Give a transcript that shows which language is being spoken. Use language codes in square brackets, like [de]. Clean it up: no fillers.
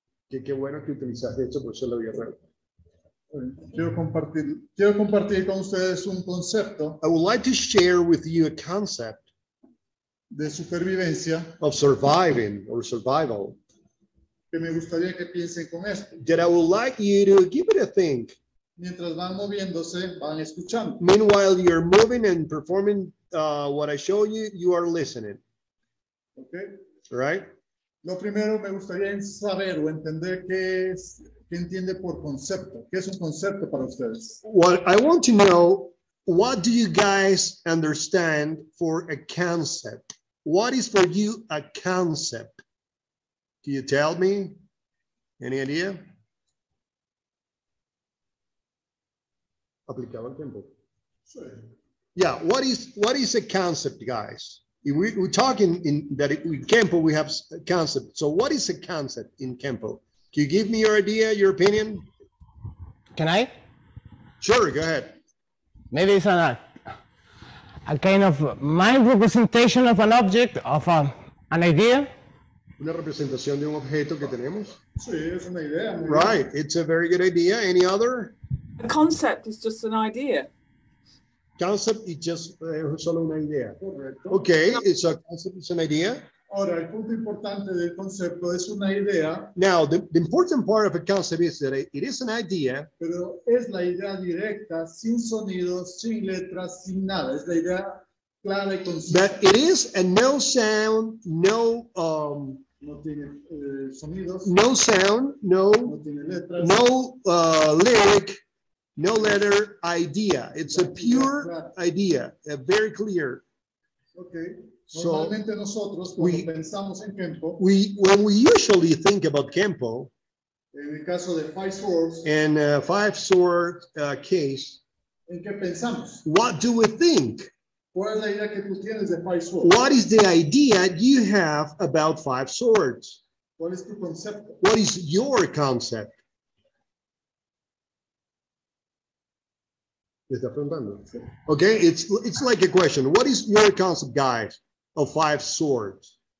[es] Qué bueno que utilizaste esto por solo guerra. Quiero compartir con ustedes un concepto. [en] I would like to share with you a concept [es] de supervivencia, [en] of surviving or survival, [es] que me gustaría que piensen con esto. [en] That I would like you to give it a think. [es] Mientras van moviéndose, van escuchando. [en] Meanwhile, you're moving and performing what I show you, you are listening. Okay. Right? [es] Lo primero me gustaría saber o entender qué es. ¿Qué entiende por concepto? ¿Qué es un concepto para ustedes? [en] Well, I want to know, what do you guys understand for a concept? What is for you a concept? Can you tell me? Any idea? [es] Aplicado al tiempo. Sí. [en] Yeah, what is a concept, guys? We're talking in Kempo, we have a concept. So what is a concept in Kempo? Can you give me your idea, your opinion? Can I? Sure, go ahead. Maybe it's a kind of mind representation of an object, of an idea. [es] Una representación de un objeto que tenemos. Sí, es una idea. [en] Right, it's a very good idea. Any other? A concept is just an idea. Concept is just [es] solo una idea. [en] Okay, it's a concept, it's an idea. [es] Ahora, el punto importante del concepto es una idea. [en] Now, the important part of a concept is that it is an idea. [es] Pero es la idea directa, sin sonidos, sin letras, sin nada. Es la idea clara y concisa. [en] That it is a no sound, no... [es] No tiene sonidos. [en] No sound, no... [es] No tiene letras. [en] No lyric, no letter, idea. It's a pure idea, very clear. [es] Okay. So normalmente nosotros, cuando pensamos en Kempo, [en] when we usually think about Kempo, [es] en el caso de five swords, [en] and five sword case, [es] ¿en qué pensamos? [en] What do we think? [es] ¿Cuál es la idea que tú tienes de five swords? [en] What is the idea you have about five swords? [es] ¿Cuál es tu concepto? [en] What is your concept? Okay, it's like a question. What is your concept, guys, of five swords?